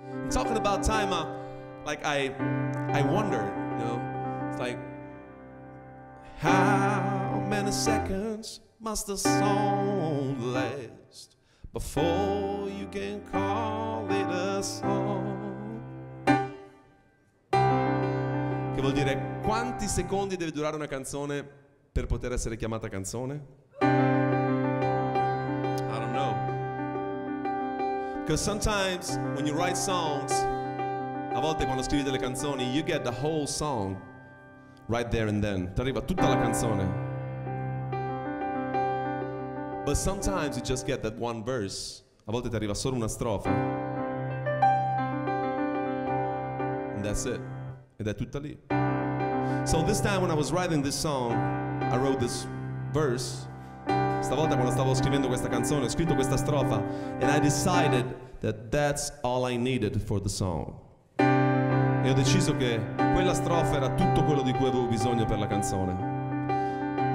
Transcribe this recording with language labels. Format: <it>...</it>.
<en>Talking about time, like I wonder, you know, it's like, how many seconds must a song last before you can call it a song?</en> <it>Che vuol dire, quanti secondi deve durare una canzone per poter essere chiamata canzone?</it> <en>I don't know. Because sometimes when you write songs,</en> <it>a volte quando scrivi delle canzoni,</it> <en>you get the whole song right there and then.</en> <it>Ti arriva tutta la canzone.</it> <en>But sometimes you just get that one verse.</en> <it>A volte ti arriva solo una strofa.</it> <en>And that's it.</en> <it>Ed è tutta lì.</it> <en>So this time when I was writing this song, I wrote this verse.</en> <it>Stavolta quando stavo scrivendo questa canzone, ho scritto questa strofa.</it> <en>And I decided that that's all I needed for the song.</en> <it>E ho deciso che quella strofa era tutto quello di cui avevo bisogno per la canzone.</it>